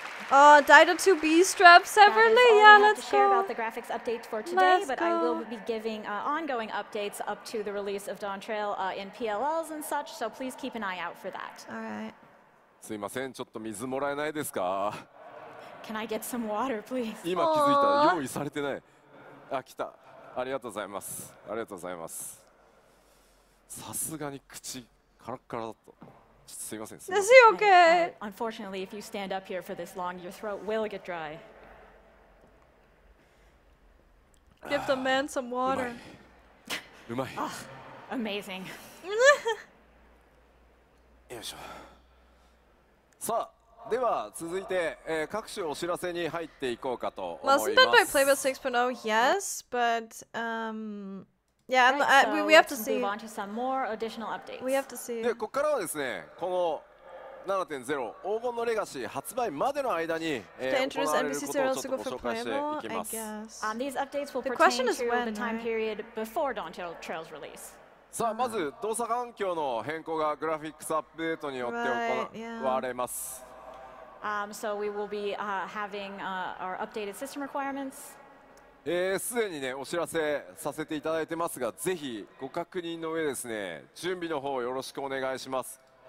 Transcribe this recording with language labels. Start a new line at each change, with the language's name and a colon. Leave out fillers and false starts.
English: Dye the 2 B straps separately. Yeah, let's go. Share about the graphics update for today, but I will be giving ongoing updates up to the release of Dawn Trail in PLLs and such. So please keep an eye out for that. All right.
Japanese: すいません、ちょっと水もらえないですか?
English: Can I get some water, please?
Japanese: 今気づいた、用意されてない。あ、来た。ありがとうございます。ありがとうございます。さすがに口カラッカラだった。
English: Is he okay? Unfortunately, if you stand up here for this long, your throat will get dry. Give the man some water.
Japanese: Umai.
English: Amazing. Yosho.
Japanese: さあ、では続いて各種お知らせに入っていこうかと思います。
English: Wasn't that by Playbill 6.0? Yes, but Yeah, right, I, so we have to see. Move on to some more additional updates. We have to see.
Japanese: で、ここからはですね、この 7.0 黄金のレガシー発売までの間に、行われることをちょっとご紹介していきます。
English: These updates will pertain to when, the time period before Dawn Trail's release.
Japanese: さあ、まず動作環境の変更がグラフィックスアップデートによって行われます。
English: Right, yeah. So we will be having our updated system requirements.
Japanese: すでにね、お知らせさせていただいてますが、ぜひご確認の上ですね、準備の方よろしくお願いします。